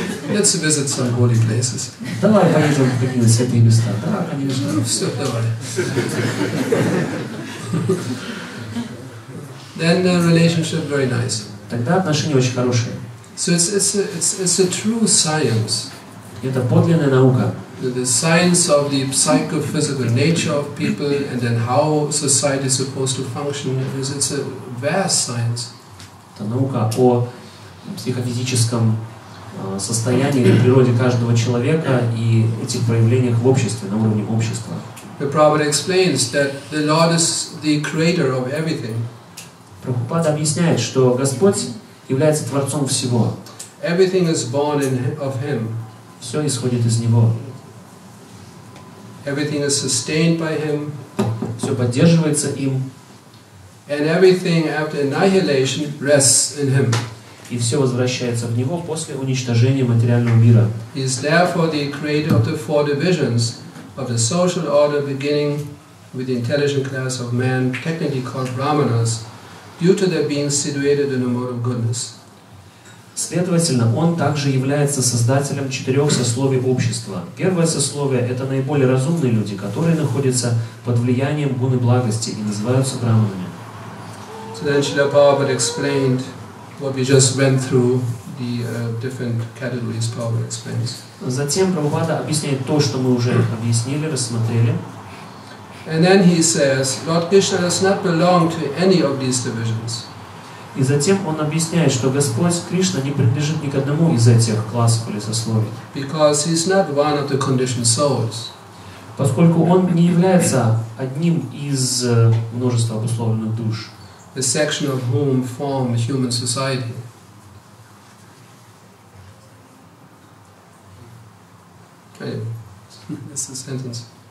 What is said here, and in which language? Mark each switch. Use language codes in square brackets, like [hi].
[en] Let's visit some holy places. [ru] Давай поедем в какие-то святые места. Да, конечно. Ну, все, давай. [en] Then the relationship very nice. [ru] Тогда отношения очень хорошие. [en] So it's a true science. [ru] Это подлинная наука. [en] The science of the psychophysical nature of people and then how society is supposed to function is it's a vast science. [ru] Это наука о психофизическом состоянии или природе каждого человека и этих проявлениях в обществе, на уровне общества. [en] The Prabhupada explains that the Lord is the creator of everything. [ru] Прабхупада объясняет, что Господь является Творцом всего. [en] Everything is born in, of Him. [ru] Все исходит из Него. [en] Everything is sustained by Him. [ru] все поддерживается им. [en] And everything after annihilation rests in him. [ru] И все возвращается в него после уничтожения материального мира. [en] He is therefore the creator of the four divisions of the social order, beginning with the intelligent class of man, technically called brahmanas, due to their being situated in a mode of goodness. [ru] Следовательно, он также является создателем четырех сословий общества. Первое сословие — это наиболее разумные люди, которые находятся под влиянием гуны благости и называются брахманами. [en] So then Srila Prabhupada explained what we just went through, the different categories Prabhupada explains. [ru] Затем Прабхупада объясняет то, что мы уже объяснили, рассмотрели. [en] And then he says, Lord Krishna does not belong to any of these divisions. [ru] И затем он объясняет, что Господь Кришна не принадлежит ни к одному из этих классов или сословий. [en] Because he is not one of the conditioned souls. [ru] Поскольку он не является одним из множества обусловленных душ. [en] The section of whom form human society. Okay, that's the sentence.